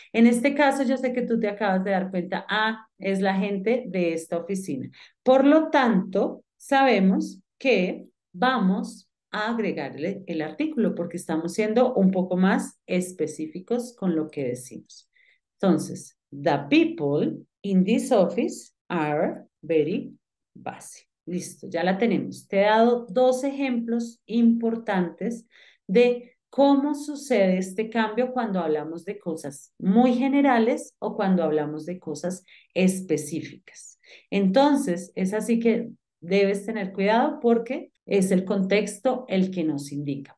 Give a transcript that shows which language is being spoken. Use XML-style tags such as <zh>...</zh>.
<es>En este caso, yo sé que tú te acabas de dar cuenta, es la gente de esta oficina. Por lo tanto, sabemos que vamos a agregarle el artículo porque estamos siendo un poco más específicos con lo que decimos.</es> <en>Entonces, the people in this office are very busy.</en> <es>Listo, ya la tenemos. Te he dado dos ejemplos importantes de cómo sucede este cambio cuando hablamos de cosas muy generales o cuando hablamos de cosas específicas. Entonces, es así que debes tener cuidado porque es el contexto el que nos indica.</es>